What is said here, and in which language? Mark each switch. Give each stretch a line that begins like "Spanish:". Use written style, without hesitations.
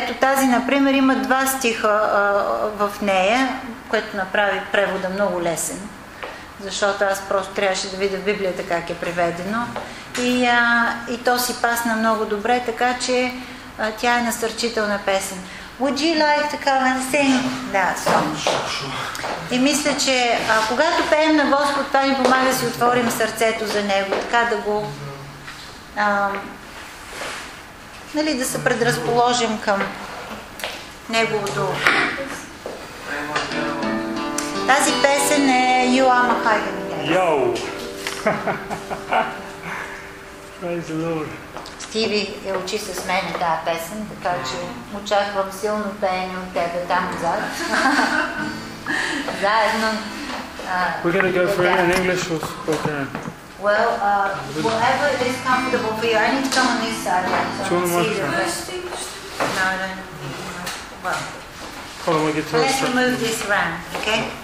Bulgarian: Ето тази, например, има два стиха в нея, което направи превода много лесен. Защото аз просто трябваше да видя в Библията как е преведено. И то си пасна много добре, така че тя е насърчителна песен.
English: Would you like to come and sing that song?
Bulgarian: И мисля, че когато пеем на Господ, това ни помага да си отворим сърцето за Него, така да го да се предразположим към Неговото. Тази песен е You Are My Hiding
English: Place. Йоу!
Bulgarian: Стиви е учи с мен тази песен, така че очаквам силно пеене от тебе там зад. Заедно.
English: We're going to go for it in English or Spanish. Well, whatever it is comfortable for you, I need to come on this side. Right? So do you want to watch that? No, well, hold on, let's move this around, okay?